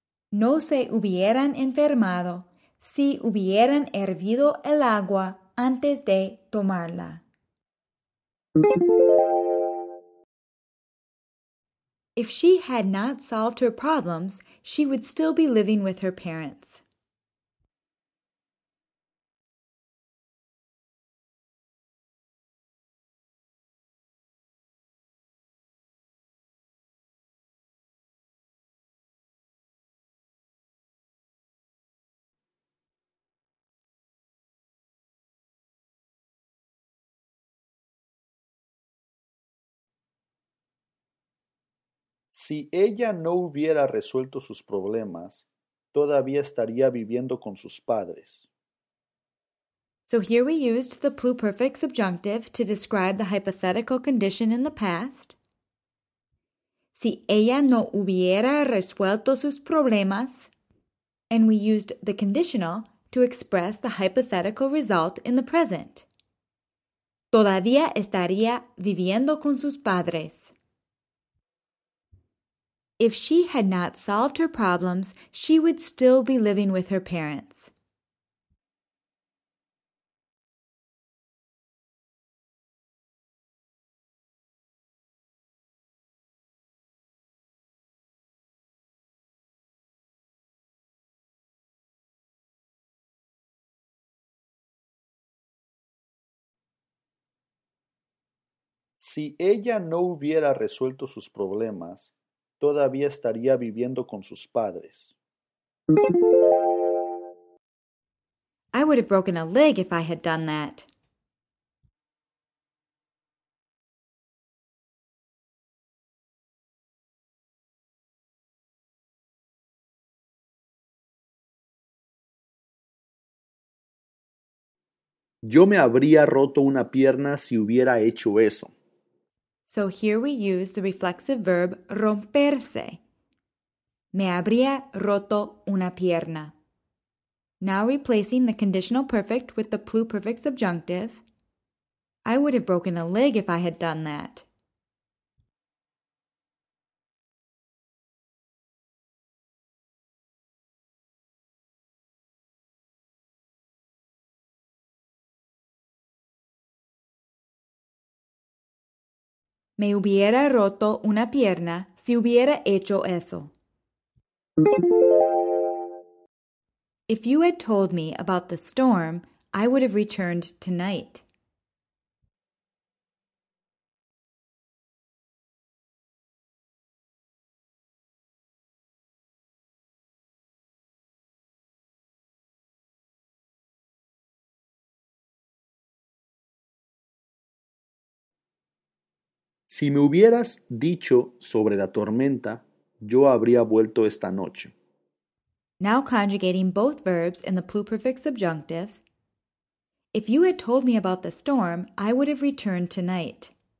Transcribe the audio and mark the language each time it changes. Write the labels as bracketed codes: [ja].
[es] No se hubieran enfermado si hubieran hervido el agua antes de tomarla. [en] If she had not solved her problems, she would still be living with her parents. [es] Si ella no hubiera resuelto sus problemas, todavía estaría viviendo con sus padres. [en] So here we used the pluperfect subjunctive to describe the hypothetical condition in the past. [es] Si ella no hubiera resuelto sus problemas. [en] And we used the conditional to express the hypothetical result in the present. [es] Todavía estaría viviendo con sus padres. [en] If she had not solved her problems, she would still be living with her parents. [es] Si ella no hubiera resuelto sus problemas, todavía estaría viviendo con sus padres. [en] I would have broken a leg if I had done that. [es] Yo me habría roto una pierna si hubiera hecho eso. [en] So here we use the reflexive verb romperse. [es] Me habría roto una pierna. [en] Now replacing the conditional perfect with the pluperfect subjunctive. I would have broken a leg if I had done that. [es] Me hubiera roto una pierna si hubiera hecho eso. [en] If you had told me about the storm, I would have returned tonight. [es] Si me hubieras dicho sobre la tormenta, yo habría vuelto esta noche. [en] Now conjugating both verbs in the pluperfect subjunctive. If you had told me about the storm, I would have returned tonight.